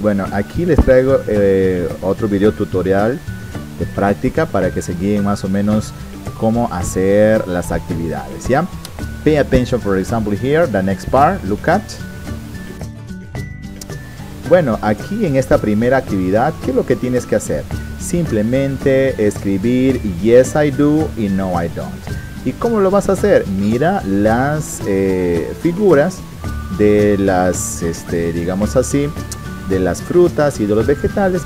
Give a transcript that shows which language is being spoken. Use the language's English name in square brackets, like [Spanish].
[Spanish] Bueno, aquí les traigo otro video tutorial de práctica para que se guíen más o menos cómo hacer las actividades. [English] Ya, pay attention, for example, here, the next part, look at. [Spanish] Bueno, aquí en esta primera actividad, ¿qué es lo que tienes que hacer? Simplemente escribir [English] yes, I do [Spanish] y [English] no, I don't. [Spanish] ¿Y cómo lo vas a hacer? Mira las figuras de las, digamos así, de las frutas y de los vegetales.